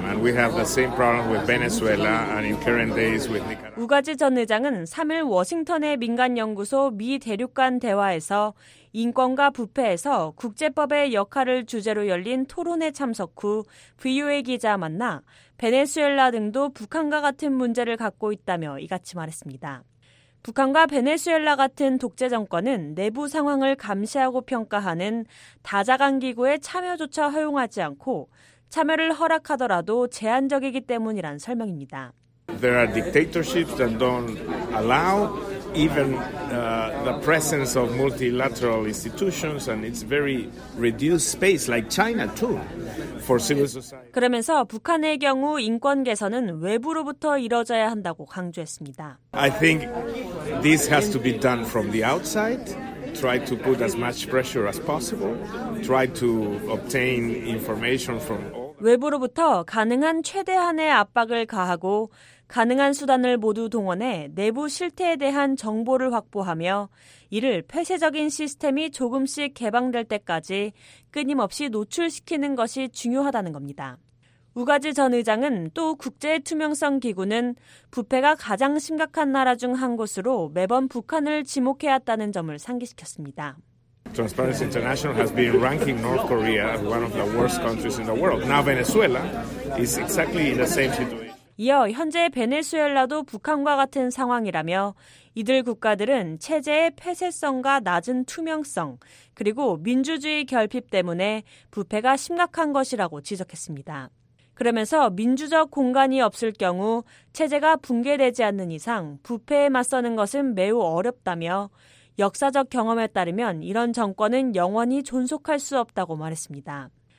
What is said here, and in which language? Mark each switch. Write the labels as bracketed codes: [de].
[en] And we have the same problem with Venezuela and in current days with Nicaragua. [ko] 우가지 전 의장은 3일 워싱턴의 민간 연구소 미 대륙 간 대화에서 인권과 부패에서 국제법의 역할을 주제로 열린 토론에 참석 후 VOA 기자 만나 베네수엘라 등도 북한과 같은 문제를 갖고 있다며 이같이 말했습니다. 북한과 베네수엘라 같은 독재 정권은 내부 상황을 감시하고 평가하는 다자간 기구에 참여조차 허용하지 않고 참여를 허락하더라도 제한적이기 때문이란 설명입니다. [en] There are dictatorships that don't allow even the presence of multilateral institutions and it's very reduced space like China too for civil society. [ko] 그러면서 북한의 경우 인권 개선은 외부로부터 이뤄져야 한다고 강조했습니다. [en] I think this has to be done from the outside. Try to put as much pressure as possible. Try to obtain information from all [ko] 외부로부터 가능한 최대한의 압박을 가하고 가능한 수단을 모두 동원해 내부 실태에 대한 정보를 확보하며 이를 폐쇄적인 시스템이 조금씩 개방될 때까지 끊임없이 노출시키는 것이 중요하다는 겁니다. 우가지 전 의장은 또 국제투명성 기구는 부패가 가장 심각한 나라 중 한 곳으로 매번 북한을 지목해왔다는 점을 상기시켰습니다. [en] Transparency International has been ranking North Korea as one of the worst countries in the world. Now Venezuela is exactly in the same situation. [ko] 이어 현재 베네수엘라도 북한과 같은 상황이라며 이들 국가들은 체제의 폐쇄성과 낮은 투명성 그리고 민주주의 결핍 때문에 부패가 심각한 것이라고 지적했습니다. 그러면서 민주적 공간이 없을 경우 체제가 붕괴되지 않는 이상 부패에 맞서는 것은 매우 어렵다며 역사적 경험에 따르면 이런 정권은 영원히 존속할 수 없다고 말했습니다.